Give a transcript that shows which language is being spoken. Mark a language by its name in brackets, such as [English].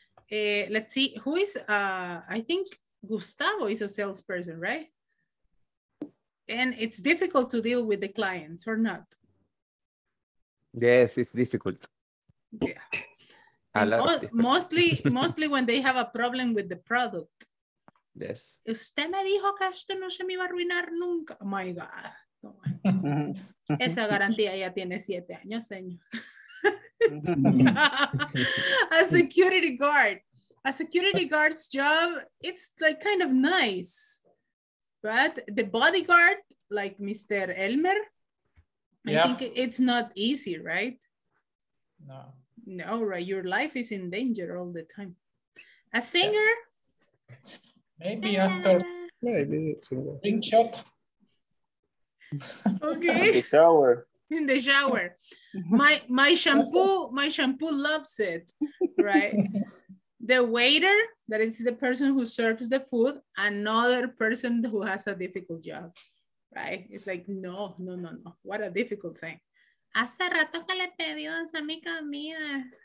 [English] Let's see, who is, I think Gustavo is a salesperson, right? And it's difficult to deal with the clients or not? Yes, it's difficult. Yeah. Mostly when they have a problem with the product. Yes. [Spanish] Usted me dijo que esto no se me iba a arruinar nunca. [English] Oh my God. Oh my God. [Spanish] Esa garantía ya tiene 7 años, señor. [English] A security guard. A security guard's job, it's like kind of nice. But the bodyguard, like Mr. Elmer, I think it's not easy, right? No. No, right. Your life is in danger all the time. A singer? Maybe after. Maybe. Ring shot. Okay. In the shower. In the shower. My shampoo loves it, right? The waiter, that is the person who serves the food, another person who has a difficult job, right? It's like, no. What a difficult thing. [Spanish] Hace rato que le pedí a mi comida.